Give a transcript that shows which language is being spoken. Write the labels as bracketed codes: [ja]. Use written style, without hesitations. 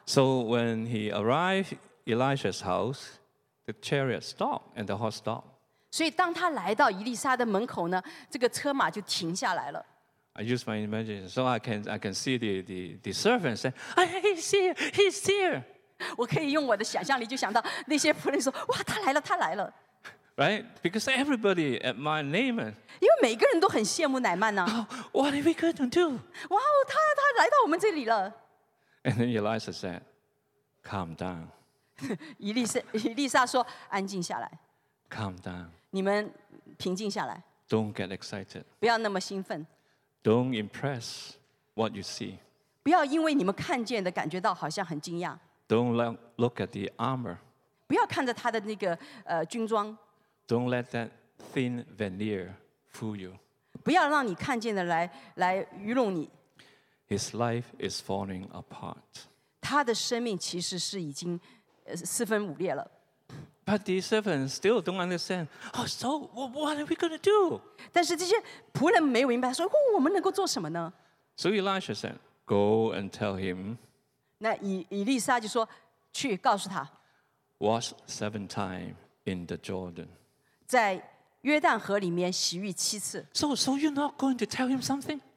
[en] So when he arrived Elijah's house, the chariot stopped and the horse stopped. [zh] 所以当他来到伊丽莎的门口呢，这个车马就停下来了。 [en] I use my imagination, so I can see the servant say, "He's here, he's here." [zh] 我可以用我的想象力就想到那些仆人说，哇，他来了，他来了。 [en] Right, because everybody admired Naaman. [zh] Because 每个人都很羡慕乃曼呢. [en] What are we going to do? [zh] Wow, 他来到我们这里了. [en] And then Elisha said, "Calm down." [zh] 伊丽莎说，安静下来. [en] Calm down. [zh] 你们平静下来. [en] Don't get excited. [zh] 不要那么兴奋. [en] Don't impress what you see. [zh] 不要因为你们看见的感觉到好像很惊讶. [en] Don't look at the armor. [zh] 不要看着他的那个军装. [en] Don't let that thin veneer fool you. [zh] 不要让你看见的来愚弄你. [en] His life is falling apart. [zh] 他的生命其实是已经四分五裂了. [en] But the servants still don't understand. Oh, so what are we going to do? [zh] 但是这些仆人没有明白，说我们能够做什么呢？ [en] So Elisha said, "Go and tell him." [zh] 那以利沙就说，去告诉他. [en] Wash seven times in the Jordan. [zh] 在约旦河里面洗浴七次. [en] So you're not going to tell him something?